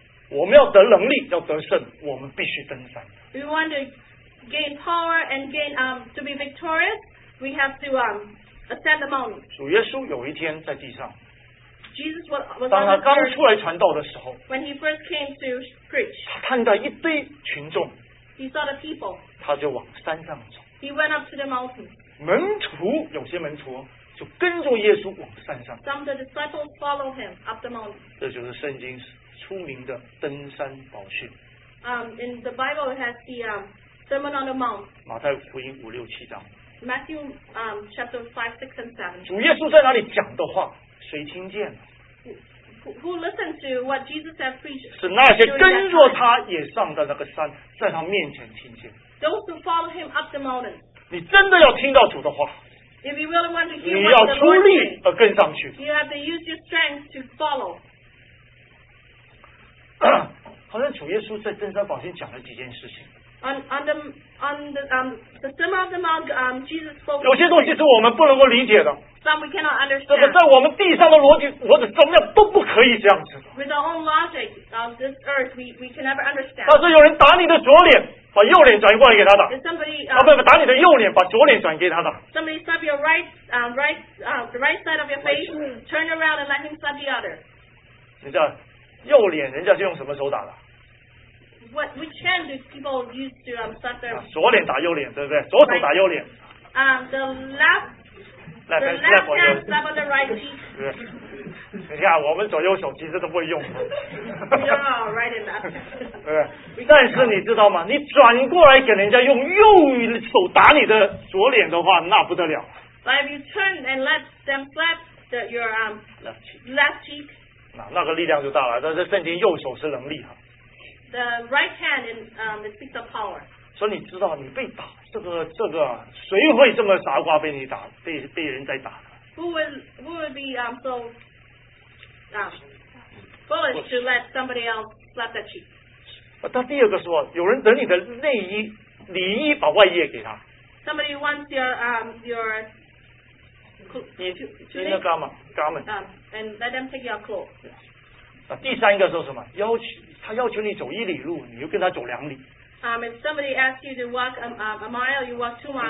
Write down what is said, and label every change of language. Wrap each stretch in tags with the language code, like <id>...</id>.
<zh>我们要得能力，要得胜，我们必须登山。</zh> <en>We want to gain power and gain to be victorious. We have to ascend the mountain.</en> <zh>主耶稣有一天在地上。</zh> <en>Jesus was</en> <zh>当他刚出来传道的时候。</zh> <en>When he first came to preach.</en> <zh>他看到一堆群众。</zh> <en>He saw the people.</en> <zh>他就往山上走。</zh> <en>He went up to the mountain.</en> <zh>门徒有些门徒就跟着耶稣往山上。</zh> <en>Some of the disciples followed him up the mountain.</en> <zh>这就是圣经。出名的登山宝训。</zh> <en>In the Bible, it has the Sermon on the Mount.</en> <zh>马太福音五六七章。</zh> <en>Matthew chapter 5, 6, and 7.</en> <zh>主耶稣在哪里讲的话，谁听见了</zh> <en>？Who listened to what Jesus has preached?</en> <zh>是那些跟着他也上的那个山，在他面前听见。</zh> <en>Those who follow him up the mountain.</en> <zh>你真的要听到主的话。</zh> <en>If you really want to hear,</en> <zh>你要出力而跟上去。</zh> <en>You have to use your strength to follow.</en> <zh>好像主耶稣在登山宝训讲了几件事情。</zh> <en>On the Sermon on the Mount, Jesus spoke.</en> <zh>有些东西是我们不能够理解的。</zh> <en>Some we cannot understand.</en> <zh>这个在我们地上的逻辑怎么样都不可以这样子的。</zh> <en>With our own logic of this earth, we can never understand.</en> <zh>但是有人打你的左脸，把右脸转过来给他的。</zh> <en>Somebody</en> <zh>打你的右脸，把左脸转给他的。</zh> <en>Somebody slap your right side of your face, turn around and let him slap the other.</en> <zh>你知道。右脸人家是用什么手打的</zh> <en>？Which hand do people use to slap their？</en> <zh>左脸打右脸，对不对？左手打右脸。</zh> <en>The left hand slap on the right cheek。</en> <zh>对，你看我们左右手其实都不会用。</zh> <en>We don't know right and left。</en> <zh>对，但是你知道吗？你转过来给人家用右手打你的左脸的话，那不得了。</zh> <en>But if you turn and let them slap your left cheek。</en> <zh>那个力量就大了，但是圣经右手是能力哈。</zh> <en>The right hand in it speaks of power.</en> <zh>所以你知道，你被打，这个谁会这么傻瓜被你打，被人在打</zh> <en>？Who would be so foolish to let somebody else slap that cheek?</en> <zh>但第二个说, 有人等你的内衣, 里衣,</zh> <en>somebody wants your garment. And let them take your clothes. Yes. If somebody asks you to walk a mile, you walk 2 miles.</en>